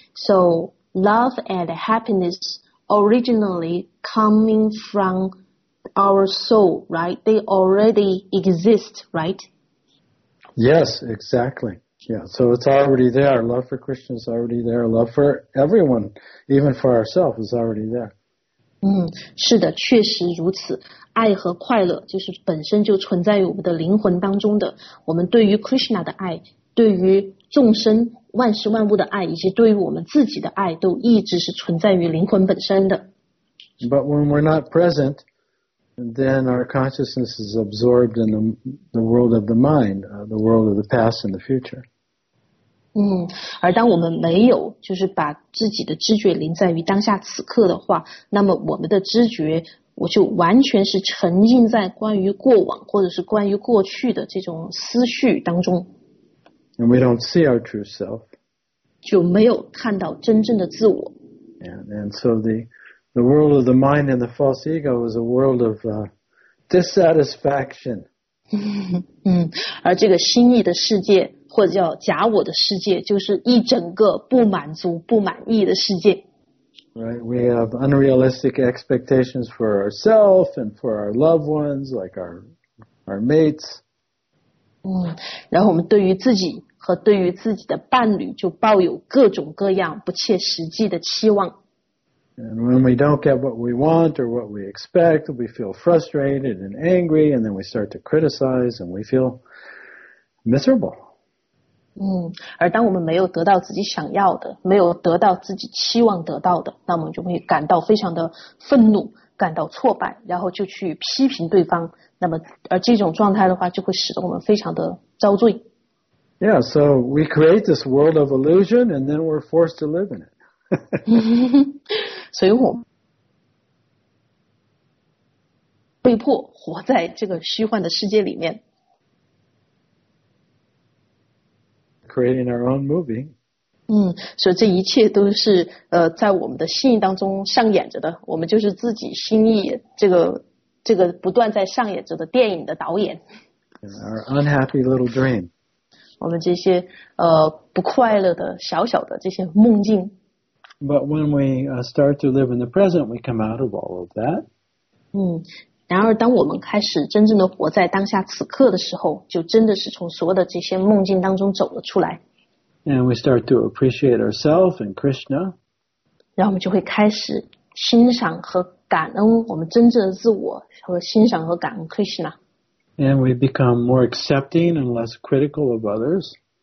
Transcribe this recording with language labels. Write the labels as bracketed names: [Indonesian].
[English] So love and happiness originally coming from our soul, right? They already exist, right? Yes, exactly. Yeah, so it's already there. Love for Krishna is already there. Love for everyone, even for ourselves, is already there. [Chinese] 是的，确实如此。爱和快乐就是本身就存在于我们的灵魂当中的。我们对于 Krishna 的爱，对于众生万事万物的爱，以及对于我们自己的爱，都一直是存在于灵魂本身的。 [English] But when we're not present, then our consciousness is absorbed in the world of the mind, the world of the past and the future. [Chinese] 而当我们没有就是把自己的知觉临在于当下此刻的话，那么我们的知觉我就完全是沉浸在关于过往或者是关于过去的这种思绪当中。 [English] And we don't see our true self. [Chinese] 就没有看到真正的自我。 [English] And so the world of the mind and the false ego is a world of dissatisfaction. [Chinese] 而这个心意的世界或者叫假我的世界就是一整个不满足不满意的世界。 [English] Right, we have unrealistic expectations for ourselves and for our loved ones, like our mates. [Chinese] 然后我们对于自己和对于自己的伴侣就抱有各种各样不切实际的期望。 [English] And when we don't get what we want or what we expect, we feel frustrated and angry, and then we start to criticize and we feel miserable. [Chinese] 而当我们没有得到自己想要的，没有得到自己期望得到的，那我们就会感到非常的愤怒，感到挫败，然后就去批评对方。那么，而这种状态的话，就会使得我们非常的遭罪。 [English] Yeah, so we create this world of illusion, and then we're forced to live in it. [Chinese] 所以我被迫活在这个虚幻的世界里面。 [English] Creating our own movie. [Chinese] 所以这一切都是在我们的心意当中上演着的。我们就是自己心意这个不断在上演着的电影的导演。 [English] Our unhappy little dream. [Chinese] 我们这些不快乐的小小的这些梦境。 [English] But when we start to live in the present, we come out of all of that. [Chinese] 然而当我们开始真正的活在当下此刻的时候，就真的是从所有的这些梦境当中走了出来。 [English] And we start to appreciate ourselves and Krishna. [Chinese] 然后我们就会开始欣赏和感恩我们真正的自我和欣赏和感恩 Krishna. [English] And we become more accepting and less critical of others.